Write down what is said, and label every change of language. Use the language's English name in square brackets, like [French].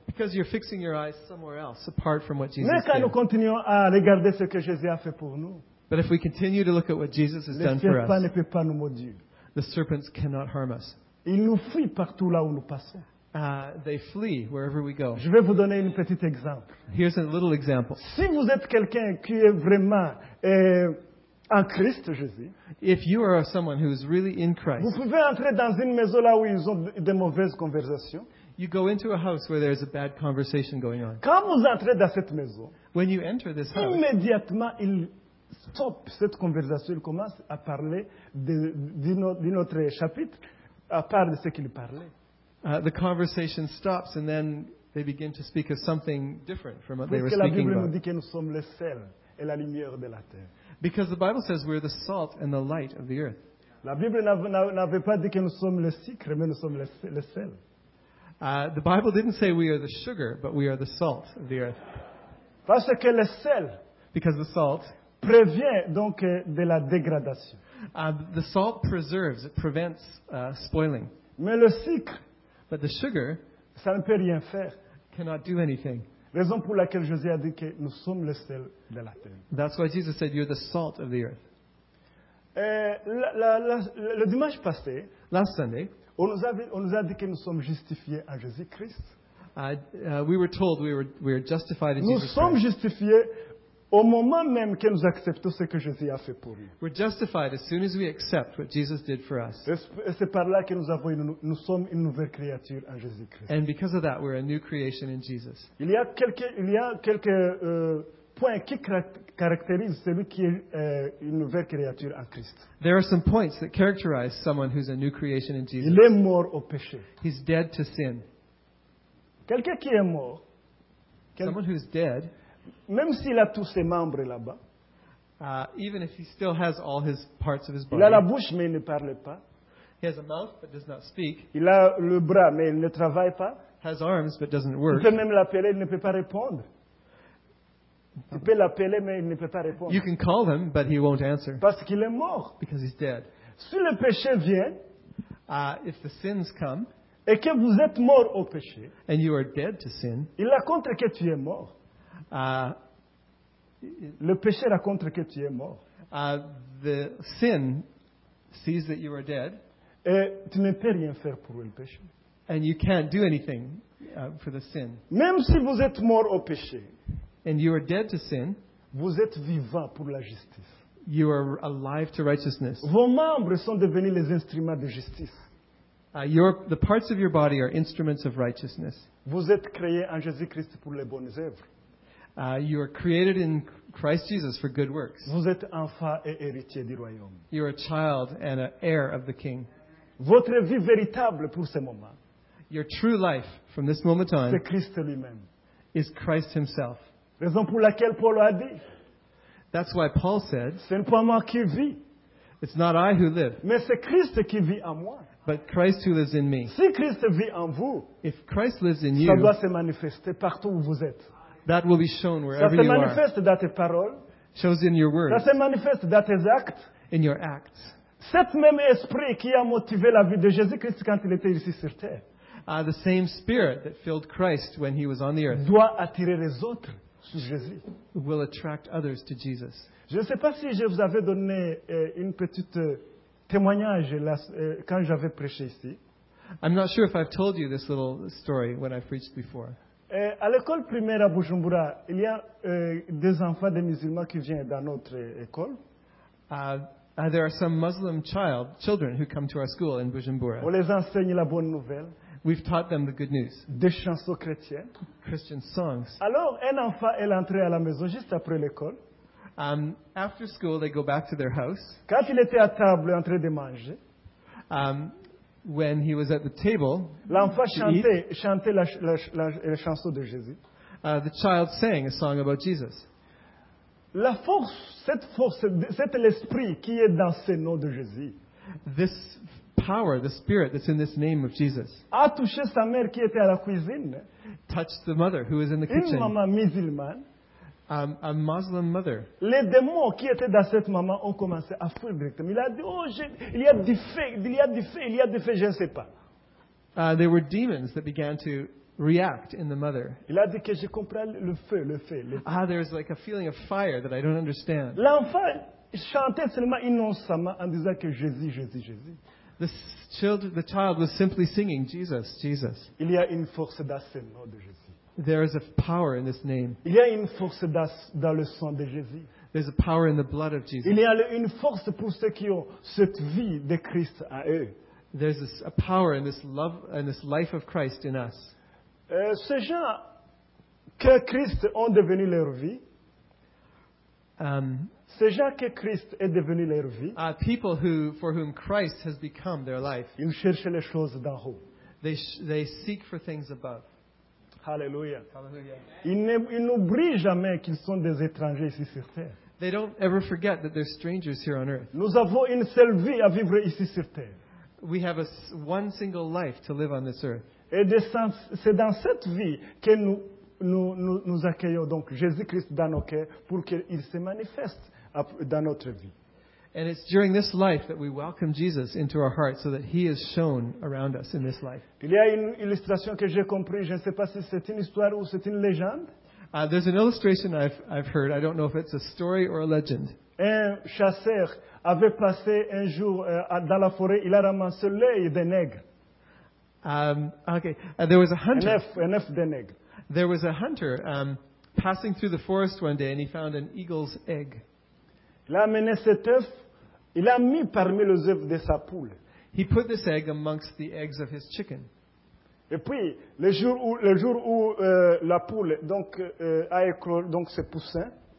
[English] Because you're fixing your eyes somewhere else apart from what Jesus did. [French] Mais quand nous continuons à regarder ce que Jésus a fait pour nous. [English] But if we continue to look at what Jesus has done for us, [French] ne peut pas nous maudire. [English] The serpents cannot harm us. [French] Ils nous fuient partout là où nous passons. [English] They flee wherever we go. [French] Je vais vous donner un petit exemple. [English] Here's a little example. [French] Si vous êtes quelqu'un qui est vraiment en Christ Jésus, [English] if you are someone who is really in Christ, [French] vous pouvez entrer dans une maison là où ils ont de mauvaises conversations. [English] You go into a house where there's a bad conversation going on. [French] Quand vous entrez dans cette maison, [English] when you enter this house, [French] immédiatement il stoppe cette conversation, il commence à parler d'un autre chapitre à part de ce qu'il parlait. [English] The conversation stops and then they begin to speak of something different from what [French] parce [English] they were speaking [French] Bible [English] about. [French] Nous dit que nous sommes le sel et la lumière de la terre. [English] Because the Bible says we're the salt and the light of the earth. [French] La Bible n'avait pas dit que nous sommes le sucre, mais nous sommes le sel. [English] The Bible didn't say we are the sugar, but we are the salt of the earth. [French] Parce que le sel, [English] because the salt, [French] prévient donc de la dégradation. [English] The salt preserves, it prevents spoiling. [French] Mais le sucre, [English] but the sugar, [French] ça ne peut rien faire. [English] Cannot do anything. [French] Raison pour laquelle Jésus a dit que nous sommes le sel de la terre. [English] That's why Jesus said you're the salt of the earth. [French] Le dimanche passé, [English] last Sunday, [French] on nous a dit que nous sommes justifiés en Jésus-Christ. [English] We were told we were justified in [French] nous [English] Jesus. [French] Nous sommes justifiés au moment même que nous acceptons ce que Jésus a fait pour nous. [English] We're justified as soon as we accept what Jesus did for us. [French] Et c'est par là que nous sommes une nouvelle créature en Jésus-Christ. [English] And because of that, we're a new creation in Jesus. [French] Il y a quelques points qui caractérisent celui qui est une nouvelle créature en Christ. [English] There are some points that characterize someone who's a new creation in Jesus. [French] Il est mort au péché. [English] He's dead to sin. [French] Quelqu'un qui est mort. [English] Someone who's dead. [French] Même s'il a tous ses membres là-bas. [English] Even if he still has all his parts of his body. [French] Il a la bouche mais il ne parle pas. [English] He has a mouth but does not speak. [French] Il a le bras mais il ne travaille pas. [English] Has arms but doesn't work. [French] Il peut même l'appeler, il ne peut pas répondre. Tu peux l'appeler mais il ne peut pas répondre. [English] You can call him but he won't answer. [French] Parce qu'il est mort. [English] Because he's dead. [French] Si le péché vient, [English] if the sins come, [French] et que vous êtes mort au péché, [English] and you are dead to sin, [French] il raconte que tu es mort. Le péché raconte que tu es mort. [English] The sin sees that you are dead. [French] Et tu ne peux rien faire pour le péché. [English] And you can't do anything for the sin. [French] Même si vous êtes mort au péché, [English] and you are dead to sin, [French] vous êtes vivant pour la justice. [English] You are alive to righteousness. [French] Vos membres sont devenus les instruments de justice. [English] The parts of your body are instruments of righteousness. [French] Vous êtes créés en Jésus-Christ pour les bonnes œuvres. [English] You are created in Christ Jesus for good works. [French] Vous êtes enfant et héritier du royaume. [English] You are a child and an heir of the king. [French] Votre vie véritable pour ce moment, [English] your true life from this moment on, [French] c'est Christ lui-même. [English] Is Christ himself. [French] Raison pour laquelle Paul a dit. [English] That's why Paul said, [French] ce n'est pas moi qui vis. [English] It's not I who live. [French] Mais c'est Christ qui vit en moi. [English] But Christ who lives in me. [French] Si Christ vit en vous, [English] if Christ lives in [French] ça [English] you, [French] ça doit se manifester partout où vous êtes. [English] That will be shown wherever you are. [French] Ça se manifeste dans tes paroles. [English] Shows in your words. [French] Ça se manifeste dans tes actes. [English] In your acts. [French] Cet même esprit qui a motivé la vie de Jésus-Christ quand il était ici sur terre. [English] The same spirit that filled Christ when he was on the earth. [French] Doit attirer les autres sur Jésus. [English] Will attract others to Jesus. [French] Je ne sais pas si je vous avais donné une petite témoignage là, quand j'avais prêché ici. [English] I'm not sure if I've told you this little story when I preached before. [French] À l'école primaire à Bujumbura, il y a des enfants des musulmans qui viennent dans notre école. [English] There are some Muslim children who come to our school in Bujumbura. [French] On les enseigne la bonne nouvelle. [English] We've taught them the good news. [French] Des chansons chrétiennes. [English] Christian songs. [French] Alors, un enfant est entré à la maison juste après l'école. [English] After school, they go back to their house. [French] Quand il était à table en train de manger, [English] when he was at the table, [French] l'enfant chantait la chanson de Jésus. [English] The child sang a song about Jesus. [French] La force, c'est l'esprit qui est dans ce nom de Jésus. [English] This power, the spirit that's in this name of Jesus, [French] a touché sa mère qui était à la cuisine. [English] Touched the mother who was in the kitchen. [French] Une maman musulmane. [English] A Muslim mother. [French] Les démons qui étaient dans cette maman ont commencé à fuir directement. Il a dit, oh, il y a du feu, je ne sais pas. [English] There were demons that began to react in the mother. [French] Il a dit que je comprends le feu. [English] Ah, there's like a feeling of fire that I don't understand. [French] L'enfant chantait seulement innocemment en disant que Jésus, Jésus, Jésus. [English] The child was simply singing, Jesus, Jesus. [French] Il y a une force dans ce nom de Jésus. [English] There is a power in this name. [French] Il y a une force dans le sang de Jésus. [English] There's a power in the blood of Jesus. [French] Il y a une force pour ceux qui ont cette vie de Christ à eux. [English] There's this, a power in this love and this life of Christ in us. [French] Ces gens que Christ ont devenu leur vie. Ces gens que Christ est devenu leur vie. [English] People who for whom Christ has become their life. [French] Ils cherchent les choses d'en haut. [English] They seek for things above. [French] Hallelujah. [English] Hallelujah. [French] Ils n'oublient jamais qu'ils sont des étrangers ici sur terre. [English] They don't ever forget that they're strangers here on earth. [French] Nous avons une seule vie à vivre ici sur terre. [English] We have one single life to live on this earth. [French] Et c'est dans cette vie que nous accueillons donc Jésus-Christ dans nos cœurs pour qu'il se manifeste dans notre vie. [English] And it's during this life that we welcome Jesus into our hearts so that he is shown around us in this life. [French] Il y a une illustration que j'ai compris, je ne sais pas si c'est une histoire ou c'est une légende. [English] There's an illustration I've heard, I don't know if it's a story or a legend. [French] Un chasseur avait passé un jour dans la forêt, il a ramassé l'œil d'un nègre. [English] There was a hunter. [French] Un œuf de nègre. [English] There was a hunter passing through the forest one day and he found an eagle's egg. [French] Il a amené cet œuf, il l'a mis parmi les œufs de sa poule. [English] He put this egg amongst the eggs of his chicken. [French] Et puis, le jour où la poule donc a éclos donc ses poussins.